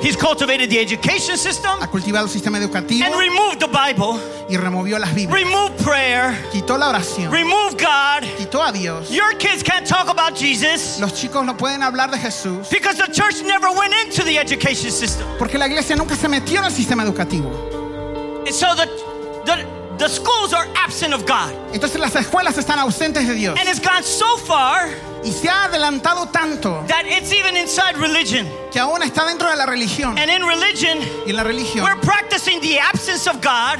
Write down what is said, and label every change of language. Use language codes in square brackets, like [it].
[en] He's cultivated the education system. [es] Ha cultivado el sistema educativo. [en] And removed the Bible. [es] Y removió las Biblias. [en] Removed prayer. [es] Quitó la oración. [en] Removed God. [es] Quitó a Dios. [en] Your kids can't talk about Jesus. [es] Los chicos no pueden hablar de Jesús. [en] Because the church never went into the education system. [es] Porque la iglesia nunca se metió en el sistema educativo. [en] And so the schools are absent of God. [es] Entonces las escuelas están ausentes de Dios. [en] And it's gone so far. [es] Y se ha adelantado tanto [en] that it's even inside religion. [es] Que aún está dentro de la religión. [en] And in religion, [es] y en la religión, [en] we're practicing the absence of God.